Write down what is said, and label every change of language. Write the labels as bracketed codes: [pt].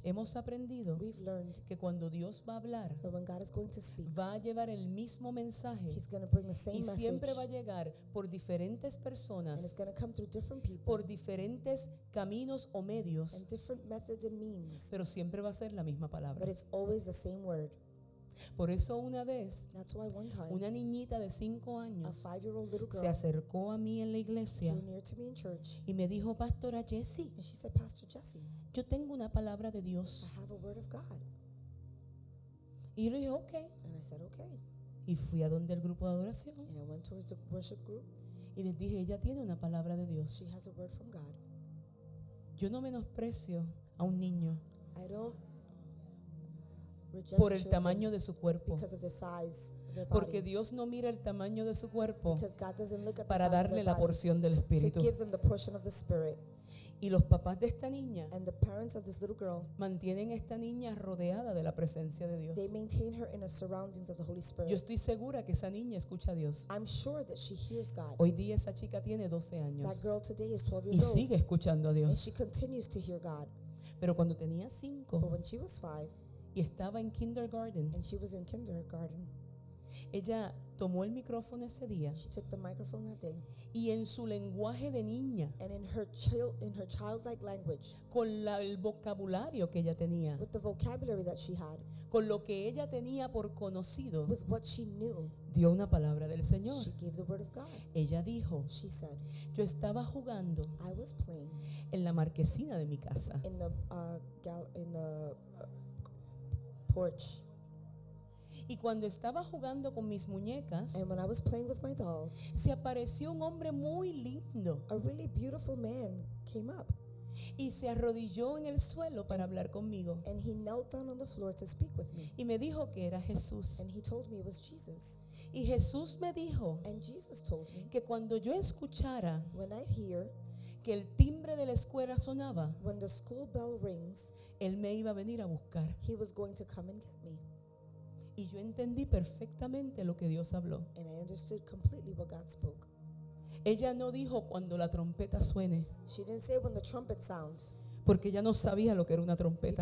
[es] hemos aprendido, [en] we've learned, [es] que cuando Dios va a hablar, [en] that when God is going to speak, [es] va a llevar el mismo mensaje, [en] he's going to bring the same [es] y [en] message, [es] siempre va a llegar por diferentes personas, [en] and it's going to come through different people, [es] por diferentes caminos o medios, [en] and different methods and means, [es] pero siempre va a ser la misma palabra. [en] But it's always the same word. [es] Por eso una vez, [en] that's why one time, [es] una niñita de 5 años, [en] a 5-year-old little girl, [es] se acercó a mí en la iglesia, [en] drew near to me in church, [es] y me dijo, Pastora Jessie, [en] and she said, Pastor Jesse, [es] yo tengo una palabra de Dios. [en] I have a word of God. [es] Y le dije, okay. [en] And I said, okay. [es] Y fui a donde el grupo de adoración. [en] And I went towards the worship group. [es] Y les dije, ella tiene una palabra de Dios. [en] She has a word from God. [es] Yo no menosprecio a un niño. [en] I don't. [es] Por el tamaño de su cuerpo. [en] Because of the size of their body. [es] Porque Dios no mira el tamaño de su cuerpo. [en] Because God doesn't look at the [es] para [en] size [es] darle [en] of their [es] la porción del Espíritu. [en] To give them the portion of the Spirit. [es] Y los papás de esta niña, [en] and the parents of this little girl, [es] mantienen esta niña rodeada de la presencia de Dios. [en] They maintain her in the surroundings of the Holy Spirit. [es] Yo estoy segura que esa niña escucha a Dios. [en] I'm sure that she hears God. [es] Hoy día esa chica tiene 12 años. [en] That girl today is 12 years [es] y sigue [en] old, [es] escuchando a Dios. [en] And she continues to hear God. [es] Pero cuando tenía 5, [en] but when she was 5, [es] y estaba en kindergarten. [en] And she was in kindergarten. [es] Ella tomó el micrófono ese día. [en] She took the microphone that day. [es] Y en su lenguaje de niña. [en] And in her childlike language. [es] Con el vocabulario que ella tenía. [en] With the vocabulary that she had. [es] Con lo que ella tenía por conocido. [en] With what she knew. [es] Dio una palabra del Señor. [en] She gave the word of God. [es] Ella dijo. [en] She said. [es] Yo estaba jugando. [en] I was playing. [es] En la marquesina de mi casa. [en] In the porch. [es] Y cuando estaba jugando con mis muñecas, [en] and when I was playing with my dolls, [es] se apareció un hombre muy lindo. [en] A really beautiful man came up. [es] Y se arrodilló en el suelo para hablar conmigo. [en] And he knelt down on the floor to speak with me. [es] Y me dijo que era Jesús. [en] And he told me it was Jesus. [es] Y Jesús me dijo, [en] and Jesus told me, [es] que cuando yo escuchara, [en] when I hear, [es] que el timbre de la escuela sonaba, [en] when the school bell rings, [es] él me iba a venir a buscar. [en] He was going to come and get me. [es] Y yo entendí perfectamente lo que Dios habló. [en] And I understood completely what God spoke. [es] Ella no dijo cuando la trompeta suene. [en] She didn't say when the trumpet sound. [es] Porque ella no sabía lo que era una trompeta.